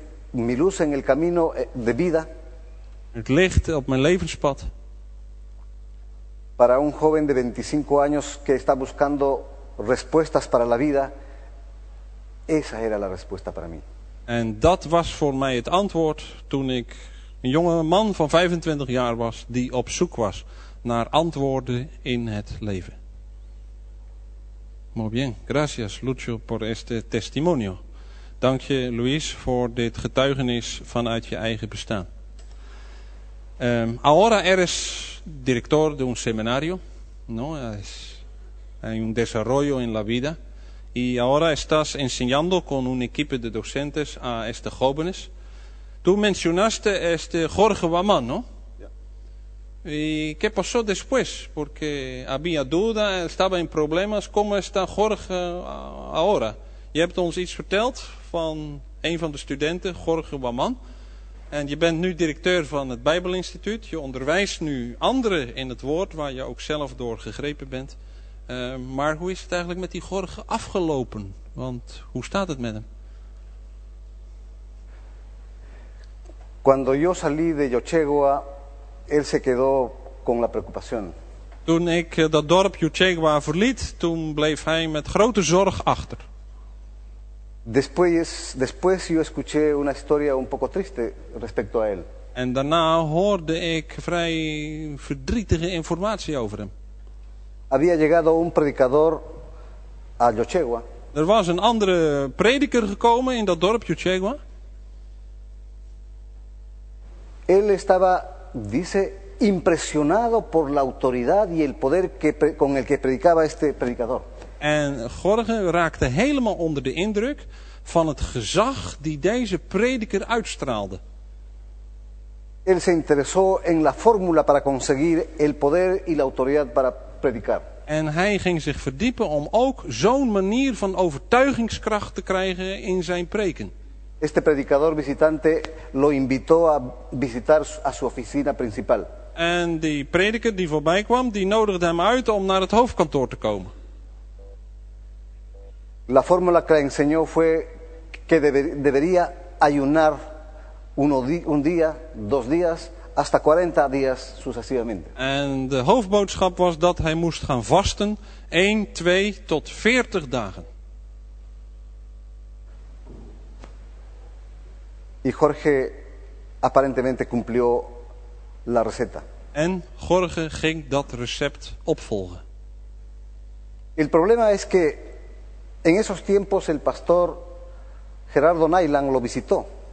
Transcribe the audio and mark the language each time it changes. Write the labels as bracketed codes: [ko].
[es] Mi luz en el camino de vida. [nl] Het licht op mijn levenspad. [es] Para un joven de 25 años que está buscando respuestas para la vida, esa era la respuesta para mí. [nl] En dat was voor mij het antwoord toen ik een jonge man van 25 jaar was die op zoek was naar antwoorden in het leven. [es] Muy bien, gracias Lucio por este testimonio. [nl] Dank je, Luis, voor dit getuigenis vanuit je eigen bestaan. [es] Ahora eres director de un seminario, ¿no? Hay un desarrollo en la vida. Y ahora estás enseñando con un equipo de docentes a estos jóvenes. Tú mencionaste este Jorge Guamán, ¿no? Ja. ¿Y qué pasó después? Porque había duda, estaba en problemas. ¿Cómo está Jorge ahora? [nl] Je hebt ons iets verteld van een van de studenten, Jorge Waman. En je bent nu directeur van het Bijbelinstituut. Je onderwijst nu anderen in het woord, waar je ook zelf door gegrepen bent. Maar hoe is het eigenlijk met die Jorge afgelopen? Want hoe staat het met hem? [es] Cuando yo salí de Yochegua, él se quedó con la preocupación. [nl] Toen ik dat dorp Yochegua verliet, toen bleef hij met grote zorg achter. [es] Después yo escuché una historia un poco triste respecto a él. [nl] En daarna hoorde ik vrij verdrietige informatie over hem. [es] Había llegado un predicador a Yochegua. [nl] Er was een andere prediker gekomen in dat dorp Yochegua. [es] Él estaba, dice, impresionado por la autoridad y el poder con el que predicaba este predicador. [nl] En Jorge raakte helemaal onder de indruk van het gezag die deze prediker uitstraalde. [es] Él se interesó en la fórmula para conseguir el poder y la autoridad para predicar. [nl] En hij ging zich verdiepen om ook zo'n manier van overtuigingskracht te krijgen in zijn preken. [es] Este predicador visitante lo invitó a visitar a su oficina principal. [nl] En die prediker die voorbij kwam, die nodigde hem uit om naar het hoofdkantoor te komen. [es] La fórmula que enseñó fue que debería ayunar un día, dos días, hasta 40 días sucesivamente. [nl] En de hoofdboodschap was dat hij moest gaan vasten 1, 2 tot 40 dagen. [es] Y Jorge aparentemente cumplió la receta. [nl] En Jorge ging dat recept opvolgen. [es] El problema es que en esos tiempos el pastor Gerardo Nailan lo visitó.